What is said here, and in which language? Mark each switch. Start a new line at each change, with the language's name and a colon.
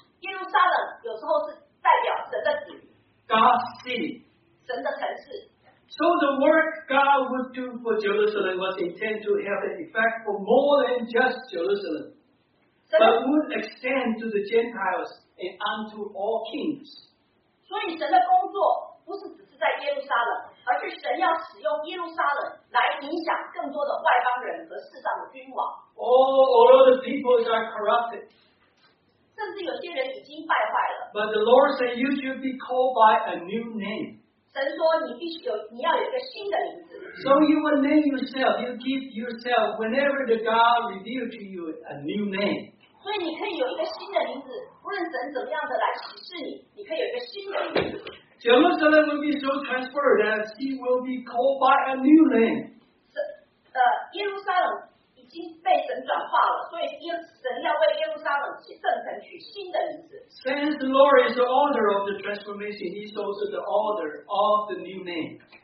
Chinese: 耶路撒冷有时候是代表神的子。
English: God's city.
Chinese: 神的城市。
English: So the work God would do for Jerusalem was intended to have an effect for more than just Jerusalem, but would extend to the Gentiles and unto all kings.
Chinese: 所以神的工作不是只是在耶路撒冷。而是神要使用耶路撒冷来影响更多的外邦人和世上的君王。
English: All the peoples are corrupted.
Chinese: 甚至有些人已经败坏了。
English: But the Lord said you should be called by a new name.
Chinese: 神说你必须有，你要有一个新的名字。
English: So you will name yourself, you give yourself whenever the God reveals to you a new name.
Chinese: 所以你可以有一个新的名字，无论神怎么样的来启示你，你可以有一个新的名字。
English: Jerusalem will be so transferred that he will be called by a new name.
Chinese: 耶路撒冷已经被神转化了，所以神要为耶路撒冷及圣城取新的名字。
English: Since the Lord is the author of the transformation, he is also the author of the new name.